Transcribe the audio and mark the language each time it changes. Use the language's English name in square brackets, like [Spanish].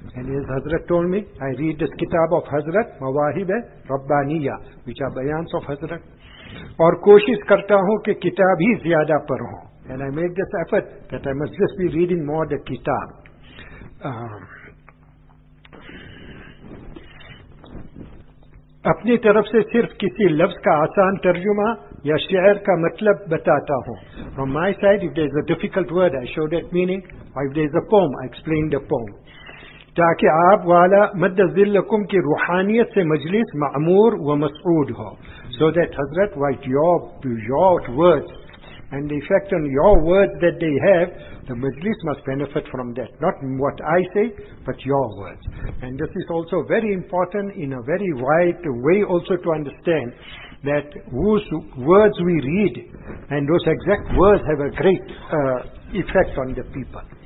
[English] And his Hazrat told me, I read this kitab of Hazrat, mawahib rabbaniya, which are bayans of Hazrat. [Urdu] Aur koshis karta hu ke kitab hi ziyada par hu. [English] And I make this effort that I must just be reading more the kitab. [Urdu] اپنی طرف سے صرف کسی لفظ کا آسان ترجمہ یا شعر کا مطلب بتاتا ہوں. [English] From my side, if there is a difficult word, I show that meaning. Or if there is a poem, I explain the poem. [Urdu] تاکہ آپ والا مد ذلکم کی روحانیت سے مجلس معمور و مسعود ہو. [English] So that Hazrat, write your words and the effect on your words that they have, the majlis must benefit from that. Not what I say, but your words. And this is also very important in a very wide way also to understand that whose words we read, and those exact words have a great effect on the people.